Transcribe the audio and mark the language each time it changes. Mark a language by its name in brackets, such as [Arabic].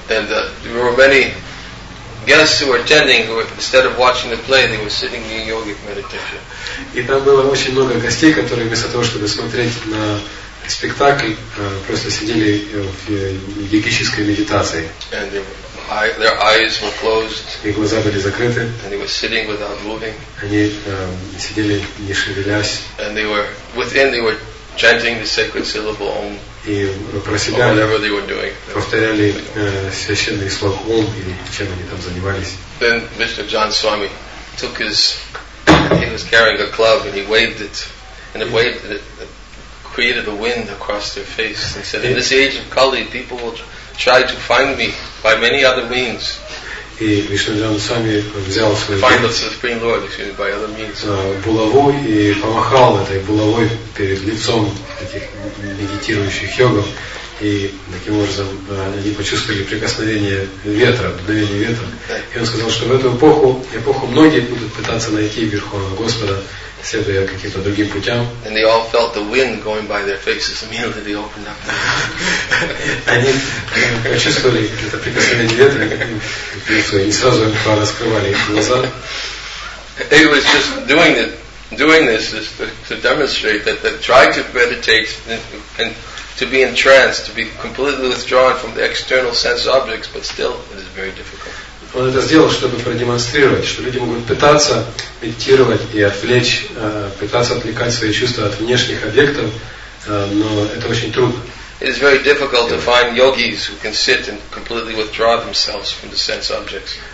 [English] And there were many guests who were attending who, instead of watching the play, they were sitting in yogic meditation. [Russian] И там было очень много гостей, которые вместо того, чтобы смотреть на спектакль, просто сидели в йогической медитации. [English] And their eyes were closed. [Russian] И глаза были закрыты. [English] And they were sitting without moving. [Russian] Они сидели не шевелясь. [English] And they were within. They were chanting the sacred syllable Om, [Russian] про себя, [English] whatever they were doing. [Russian] Повторяли священный слог Ом или чем они там занимались. [English] Then Mr. John Swami took his, he was carrying a club and he waved it, and it waved it, created a wind across their face and said, in this age of Kali, people will try to find me by many other means. [Russian] И Вишнуджан Свами взял свой [English] Find the Supreme Lord, excuse me, by other means. [Russian] Булаву и помахал этой булавой перед лицом этих медитирующих йогов, и таким образом они почувствовали прикосновение ветра, дуновение ветра. И он сказал, что в эту эпоху, эпоху многие будут пытаться найти Верховного Господа, следуя каким-то другим путям. [English] And they all felt the wind going by their faces immediately they opened up. [Russian] Они почувствовали это прикосновение ветра, и сразу раскрывали их глаза. [English] He was just doing it, doing this is to demonstrate that that try to meditate and to be entranced, to be completely withdrawn from the external sense objects, but still it is very difficult. [Russian] Он это сделал, чтобы продемонстрировать, что люди могут пытаться медитировать и отвлечь, пытаться отвлекать свои чувства от внешних объектов, но это очень трудно. [English] It is very difficult to find yogis who can sit and completely withdraw themselves from the sense objects.